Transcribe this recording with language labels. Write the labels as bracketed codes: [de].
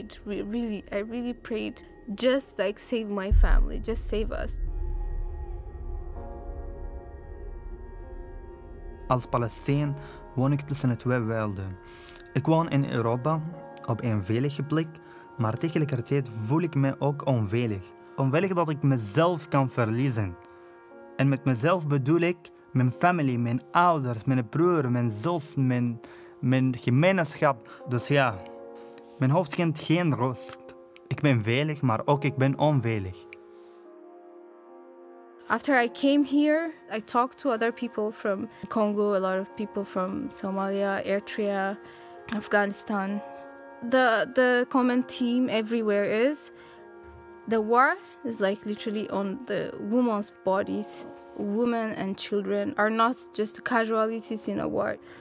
[en] I really prayed. Just like save my family, just save us. [nl] Als Palestijn woon ik tussen twee werelden. Ik woon in Europa, op een veilige plek, maar tegelijkertijd voel ik me ook onveilig. Onveilig dat ik mezelf kan verliezen. En met mezelf bedoel ik mijn familie, mijn ouders, mijn broer, mijn zus, mijn gemeenschap. Dus ja, mijn hoofd kent geen rust. Ik ben veilig, maar ook ik ben onveilig. [en] After I came here, I talked to other people from Congo, a lot of people from Somalia, Eritrea, Afghanistan. The common theme everywhere is the war is like literally on the women's bodies. Women and children are not just casualties in a war.